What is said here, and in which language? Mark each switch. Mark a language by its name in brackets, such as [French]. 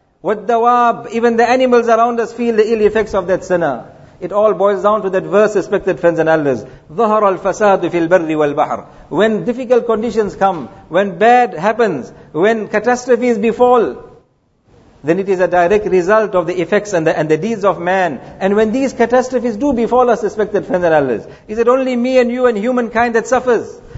[Arabic] والدواب, [English] even the animals around us feel the ill effects of that sinner. It all boils down to that verse, respected friends and elders. [Arabic] ظهر الفساد في البر والبحر. [English] When difficult conditions come, when bad happens, when catastrophes befall, then it is a direct result of the effects and the deeds of man. And when these catastrophes do befall us, respected friends and elders, is it only me and you and humankind that suffers?